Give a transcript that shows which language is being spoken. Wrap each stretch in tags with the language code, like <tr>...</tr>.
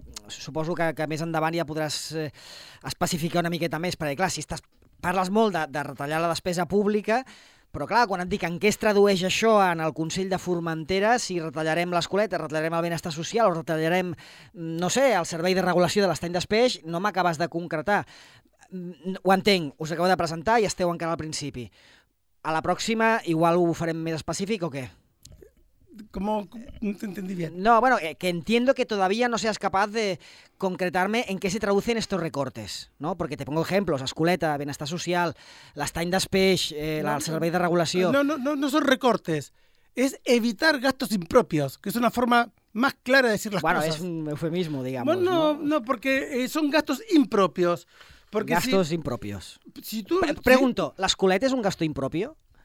<ca>Suposo que més endavant ja podràs especificar una miqueta més, perquè clar, si parles molt de retallar la despesa pública, però clar, quan et dic en què es tradueix això en el Consell de Formentera, si retallarem l'Escoleta, retallarem el benestar social o retallarem, no sé, el servei de regulació de l'estany d'espeix, no m'acabes de concretar. Ho entenc, us acabo de presentar i esteu encara al principi. A la pròxima igual ho farem més específic o què?</ca> <es>¿Cómo? No te entendí bien. No, bueno, que entiendo que todavía no seas capaz de concretarme en qué se traducen estos recortes, ¿no? Porque te pongo ejemplos, Escoleta, Benestar Social, l'Estany d'Espeix, el Servei de Regulació... No son recortes, es evitar gastos impropios, que es una forma más clara de decir las bueno, cosas. Bueno, es un eufemismo, digamos. Bueno, no, porque son gastos impropios. Porque gastos si, impropios. Si tú, pregunto, ¿l'Escoleta es un gasto impropio?</es>